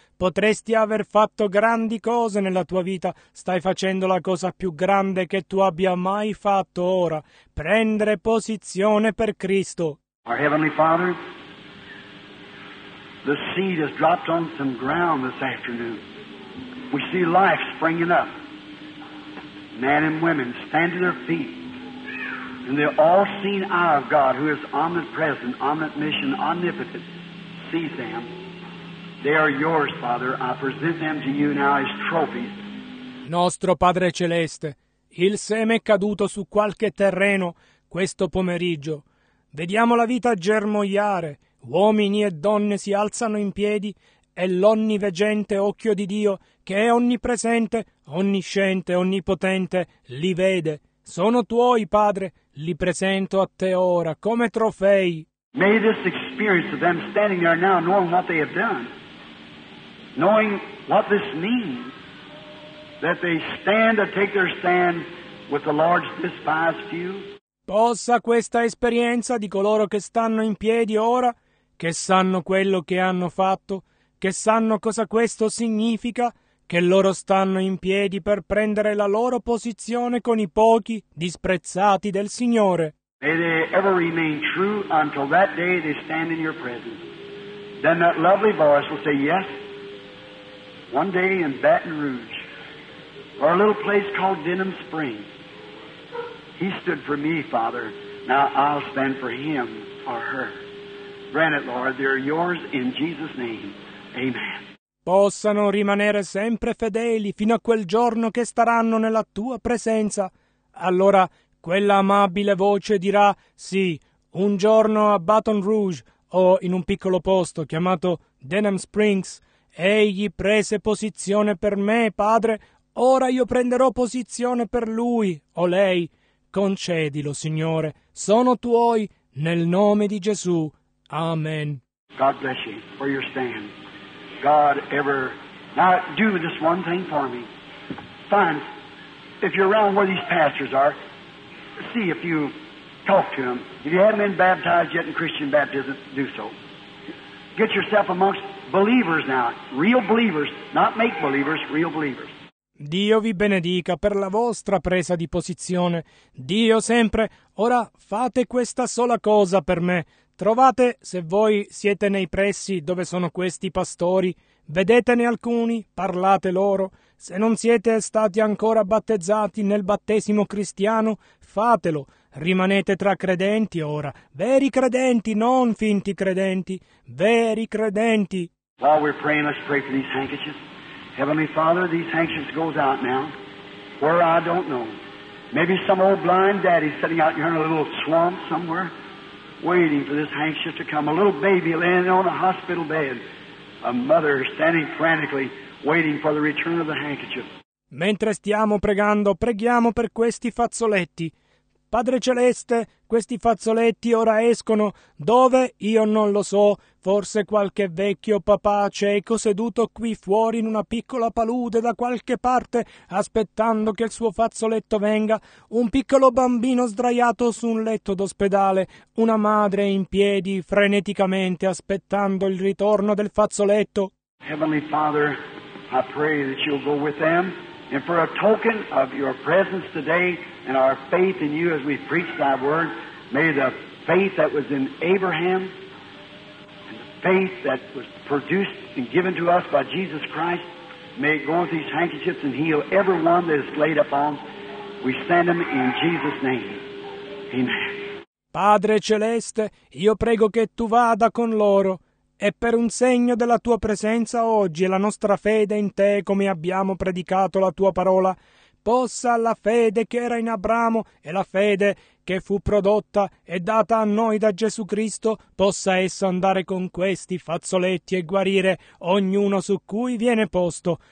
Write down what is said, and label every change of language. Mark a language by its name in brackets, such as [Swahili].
[Italian] Potresti aver fatto grandi cose nella tua vita. Stai facendo la cosa più grande che tu abbia mai fatto ora. Prendere posizione per Cristo. [English] Our Heavenly Father, the seed has dropped on some ground this afternoon. We see life springing up. Men and women stand to their feet. And the all-seeing eye of God, who is omnipresent, omniscient, omnipotent, sees them. They are yours, Father. I present them to you now as trophies. [Italian] Nostro Padre Celeste, il seme è caduto su qualche terreno questo pomeriggio. Vediamo la vita germogliare. Uomini e donne si alzano in piedi e l'onniveggente occhio di Dio, che è onnipresente, onnisciente, onnipotente, li vede. Sono tuoi, Padre, li presento a te ora come trofei. [English] May this experience of them standing there now, knowing what they have done, knowing what this means, that they stand to take their stand with the Lord's despised few. [Italian] Possa questa esperienza di coloro che stanno in piedi ora, che sanno quello che hanno fatto, che sanno cosa questo significa, che loro stanno in piedi per prendere la loro posizione con i pochi disprezzati del Signore. [English] May they ever remain true until that day they stand in your presence. Then that lovely voice will say, yes, one day in Baton Rouge, or a little place called Denham Springs, He stood for me, Father. Now I'll stand for him or her. Grant it, Lord. They're yours in Jesus' name. Amen. [Italian] Possano rimanere sempre fedeli fino a quel giorno che staranno nella tua presenza. Allora quella amabile voce dirà: sì, un giorno a Baton Rouge o in un piccolo posto chiamato Denham Springs, egli prese posizione per me, Padre, ora io prenderò posizione per lui o lei. Concedilo, Signore, sono tuoi nel nome di Gesù. Amen. [English] God bless you for your stand. God ever. Now do this one thing for me. Find, if you're around where these pastors are, see if you talk to them. If you haven't been baptized yet in Christian baptism, do so. Get yourself amongst believers now, real believers, not make believers, real believers. [Italian] Dio vi benedica per la vostra presa di posizione. Dio sempre, ora fate questa sola cosa per me. Trovate, se voi siete nei pressi dove sono questi pastori, vedetene alcuni, parlate loro. Se non siete stati ancora battezzati nel battesimo cristiano, fatelo. Rimanete tra credenti ora, veri credenti, non finti credenti, veri credenti. [English] While we're praying, let's pray for these handkerchiefs. Heavenly Father, these handkerchiefs go out now, where I don't know. Maybe some old blind daddy sitting out here in a little swamp somewhere, waiting for this handkerchief to come. A little baby laying on a hospital bed. A mother standing frantically, waiting for the return of the handkerchief. [Italian] Mentre stiamo pregando, preghiamo per questi fazzoletti. Padre Celeste, questi fazzoletti ora escono. Dove? Io non lo so. Forse qualche vecchio papà cieco seduto qui fuori in una piccola palude da qualche parte, aspettando che il suo fazzoletto venga. Un piccolo bambino sdraiato su un letto d'ospedale. Una madre in piedi, freneticamente, aspettando il ritorno del fazzoletto. [English] Heavenly Father, I pray that you'll go with them. And for a token of your presence today and our faith in you as we preach thy word, may the faith that was in Abraham and the faith that was produced and given to us by Jesus Christ, may it go with these handkerchiefs and heal every one that is laid upon. We send them in Jesus' name. Amen. [Italian] Padre Celeste, io prego che tu vada con loro. E per un segno della tua presenza oggi e la nostra fede in te, come abbiamo predicato la tua parola, possa la fede che era in Abramo e la fede che fu prodotta e data a noi da Gesù Cristo, possa essa andare con questi fazzoletti e guarire ognuno su cui viene posto.